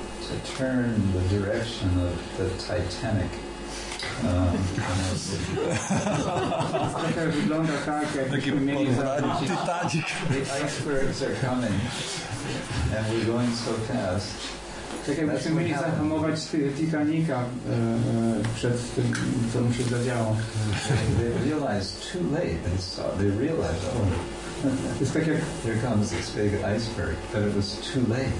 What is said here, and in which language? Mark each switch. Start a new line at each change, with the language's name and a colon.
English: To turn the direction of the Titanic. The icebergs are coming, and we're going so fast.
Polish: Tak jakbyśmy mieli zahamować Titanica przed tym, co mu się zadziało.
English: They realize too late. They realize, oh, it's
Polish: tak jak,
English: here comes this big iceberg, but it was too late.